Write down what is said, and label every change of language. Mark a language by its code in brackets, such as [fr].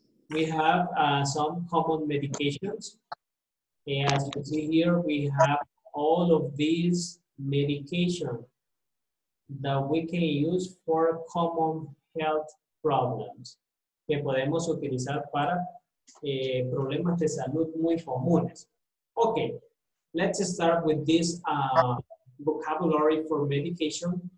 [en] We have some common medications. And as you see here, we have all of these medications that we can use for common health problems. [es] Que podemos utilizar para problemas de salud muy comunes. [en] Okay, let's start with this vocabulary for medication.